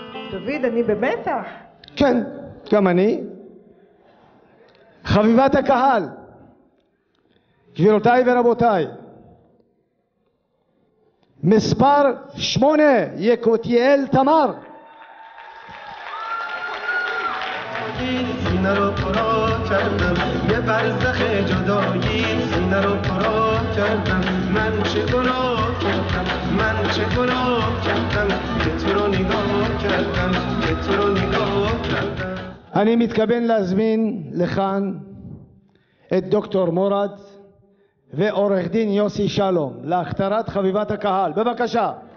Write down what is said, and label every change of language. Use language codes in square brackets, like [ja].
[he] דוד, אני במתח. כן, גם אני. חביבת הקהל, גבירותיי ורבותיי, מספר 8, יקותיאל תמר. [fa] سینه رو پرا کردم یه برزخ جدایی سینه رو پرا کردم من چه گناه کردم من چه گناه کردم که تو رو نگاه کردم که تو رو نگاه کردم [he] אני מתכוון להזמין לכאן את דוקטור מורד ועורך דין יוסי שלום להכתרת חביבת הקהל, בבקשה.